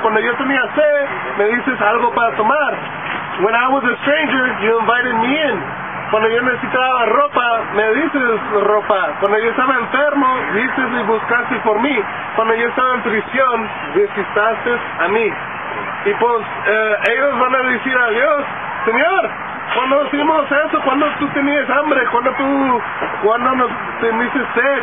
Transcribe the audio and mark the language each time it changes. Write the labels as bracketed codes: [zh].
[es] Cuando yo tenía sed, me dices algo para tomar. [en] When I was a stranger, you invited me in. [es] Cuando yo necesitaba ropa, me dices ropa. Cuando yo estaba enfermo, dices y buscaste por mí. Cuando yo estaba en prisión, visitaste a mí. Y pues, ellos van a decir a Dios, Señor, ¿cuándo hicimos eso? ¿Cuándo tú tenías hambre? ¿Cuándo nos teniste sed?